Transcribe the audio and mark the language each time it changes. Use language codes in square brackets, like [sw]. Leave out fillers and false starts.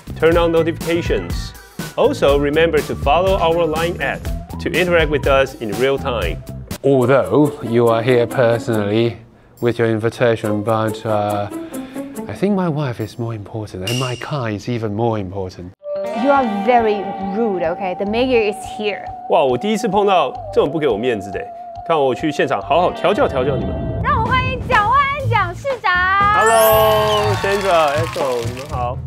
[en] Turn on notifications. Also, remember to follow our LINE app to interact with us in real time. Although you are here personally with your invitation, but I think my wife is more important and my car is even more important. You are very rude, okay? The mayor is here. [zh] 哇，我第一次碰到这么不给我面子的，看我去现场好好调教调教你们。让我欢迎蒋万安蒋市长。 [en] Hello, Sandra, Echo, [zh] 你们好。